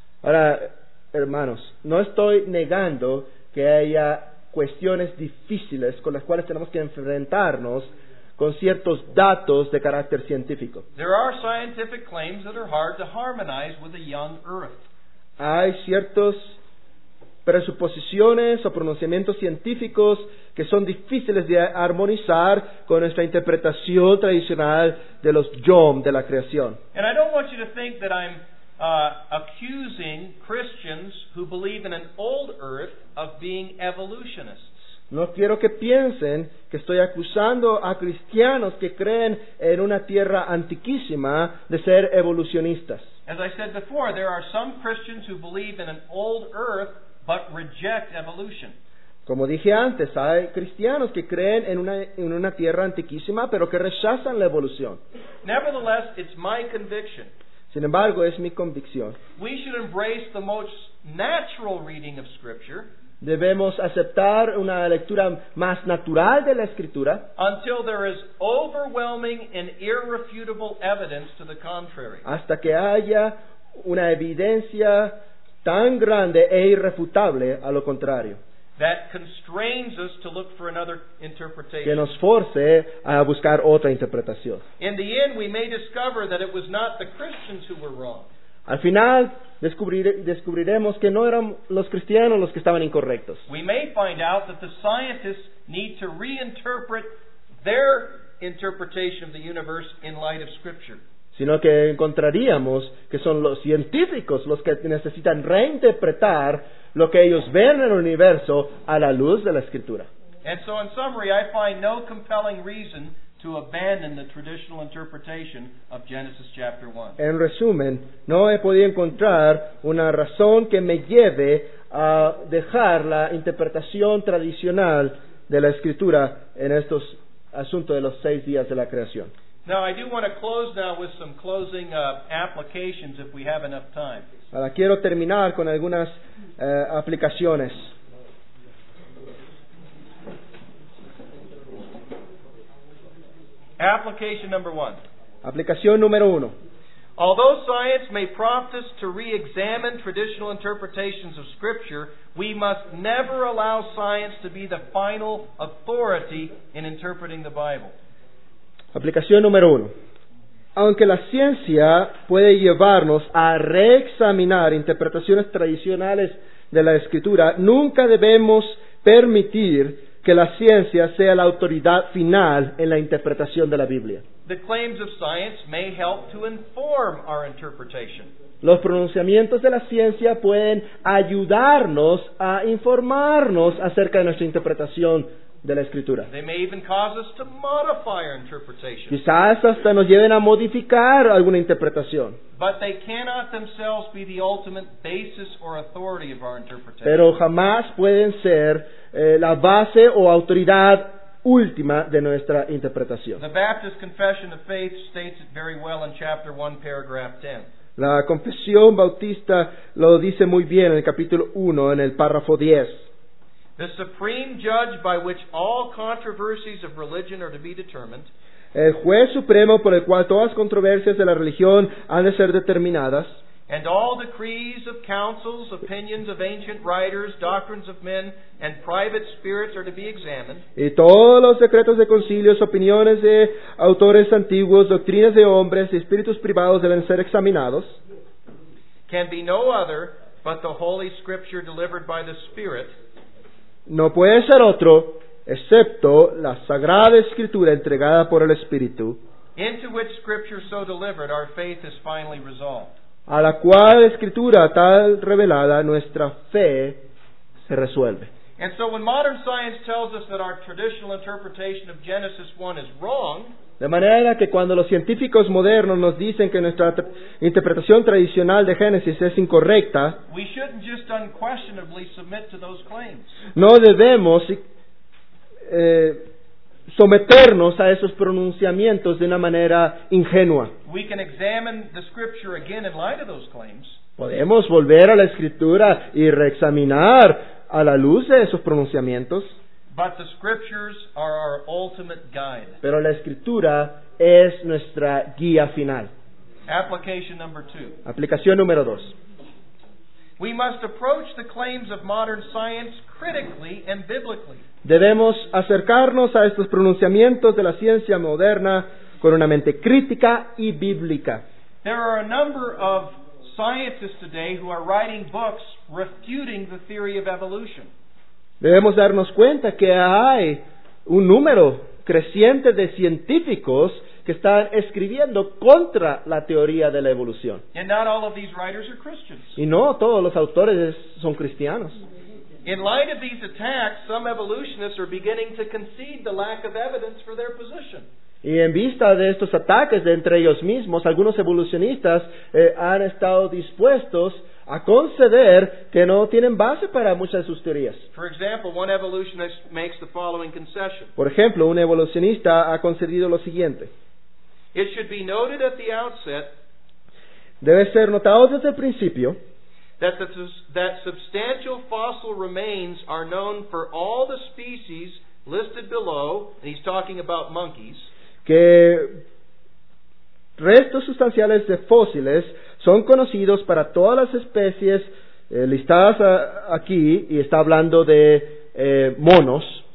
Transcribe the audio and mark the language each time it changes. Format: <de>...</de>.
<es>Ahora, hermanos, no estoy negando que haya cuestiones difíciles con las cuales tenemos que enfrentarnos con ciertos datos de carácter científico.</es> <en>There are scientific claims that are hard to harmonize with a young earth.</en> <es>Hay ciertos presuposiciones o pronunciamientos científicos que son difíciles de armonizar con nuestra interpretación tradicional de los yom, de la creación.</es> <en>And I don't want you to think that I'm accusing Christians who believe in an old earth of being evolutionists.</en> <es>No quiero que piensen que estoy acusando a cristianos que creen en una tierra antiquísima de ser evolucionistas.</es> <en>As I said before, there are some Christians who believe in an old earth but reject evolution.</en> <es>Como dije antes, hay cristianos que creen en una tierra antiquísima, pero que rechazan la evolución.</es> <en>Nevertheless, it's my conviction.</en> <es>Sin embargo, es mi convicción.</es> <en>We should embrace the most natural reading of Scripture.</en> <es>Debemos aceptar una lectura más natural de la Escritura.</es> <en>Until there is overwhelming and irrefutable evidence to the contrary.</en> <es>Hasta que haya una evidencia tan grande e irrefutable a lo contrario.</es> <en>That constrains us to look for another interpretation.</en> <es>Que nos force a buscar otra interpretación.</es> <en>In the end, we may discover that it was not the Christians who were wrong.</en> <es>Al final descubriremos que no eran los cristianos los que estaban incorrectos.</es> <en>We may find out that the scientists need to reinterpret their interpretation of the universe in light of Scripture.</en> <es>Sino que encontraríamos que son los científicos los que necesitan reinterpretar lo que ellos ven en el universo a la luz de la Escritura.</es> <en>And so in summary, I find no compelling reason to abandon the traditional interpretation of Genesis chapter 1.</en> <es>En resumen, no he podido encontrar una razón que me lleve a dejar la interpretación tradicional de la Escritura en estos asuntos de los seis días de la creación.</es> <en>Now, I do want to close now with some closing applications if we have enough time.</en> <es>Ahora quiero terminar con algunas aplicaciones.</es> <en>Application number one.</en> <es>Aplicación número uno.</es> <en>Although science may prompt us to re-examine traditional interpretations of Scripture, we must never allow science to be the final authority in interpreting the Bible.</en> <es>Aplicación número uno. Aunque la ciencia puede llevarnos a reexaminar interpretaciones tradicionales de la Escritura, nunca debemos permitir que la ciencia sea la autoridad final en la interpretación de la Biblia.</es> <en>The claims of science may help to inform our interpretation.</en> <es>Los pronunciamientos de la ciencia pueden ayudarnos a informarnos acerca de nuestra interpretación de la Escritura.</es> <en>They may even cause us to modify our interpretation.</en> <es>Quizás hasta nos lleven a modificar alguna interpretación.</es> <en>But they cannot themselves be the ultimate basis or authority of our interpretation.</en> <es>Pero jamás pueden ser la base o autoridad última de nuestra interpretación.</es> <en>The Baptist Confession of Faith states it very well in chapter 1, paragraph 10.</en> <es>La Confesión Bautista lo dice muy bien en el capítulo 1, en el párrafo 10.</es> <en>The supreme judge by which all controversies of religion are to be determined.</en> <es>El juez supremo por el cual todas las controversias de la religión han de ser determinadas.</es> <en>And all decrees of councils, opinions of ancient writers, doctrines of men, and private spirits are to be examined.</en> <es>Y todos los decretos de concilios, opiniones de autores antiguos, doctrinas de hombres y espíritus privados deben ser examinados.</es> <en>Can be no other but the Holy Scripture delivered by the Spirit.</en> <es>No puede ser otro, excepto la Sagrada Escritura entregada por el Espíritu.</es> <en>Into which Scripture so delivered, our faith is finally resolved.</en> <es>A la cual Escritura tal revelada, nuestra fe se resuelve.</es> <en>And so when modern science tells us that our traditional interpretation of Genesis 1 is wrong,</en> <es>de manera que cuando los científicos modernos nos dicen que nuestra interpretación tradicional de Génesis es incorrecta,</es> <en>we shouldn't just unquestionably submit to those claims.</en> <es>No debemos someternos a esos pronunciamientos de una manera ingenua.</es> <en>We can examine the scripture again in light of those claims.</en> <es>Podemos volver a la Escritura y reexaminar a la luz de esos pronunciamientos.</es> <en>But the scriptures are our ultimate guide.</en> <es>Pero la Escritura es nuestra guía final.</es> <en>Application number two.</en> <es>Aplicación número dos.</es> <en>We must approach the claims of modern science critically and biblically.</en> <es>Debemos acercarnos a estos pronunciamientos de la ciencia moderna con una mente crítica y bíblica.</es> <en>There are a number of scientists today who are writing books refuting the theory of evolution.</en> <es>Debemos darnos cuenta que hay un número creciente de científicos que están escribiendo contra la teoría de la evolución.</es> <en>And not all of these writers are Christians.</en> <es>Y no todos los autores son cristianos.</es> <en>In light of these attacks, some evolutionists are beginning to concede the lack of evidence for their position.</en> <es>Y en vista de estos ataques de entre ellos mismos, algunos evolucionistas han estado dispuestos a conceder que no tienen base para muchas de sus teorías.</es> <en>For example, one evolutionist makes the following concession.</en> <es>Por ejemplo, un evolucionista ha concedido lo siguiente.</es> <en>It should be noted at the outset.</en> <es>Debe ser notado desde el principio.</es> <en>that substantial fossil remains are known for all the species listed below, and he's talking about monkeys.</en> <es>Que restos sustanciales de fósiles son conocidos para todas las especies listadas aquí, y está hablando de monos.</es>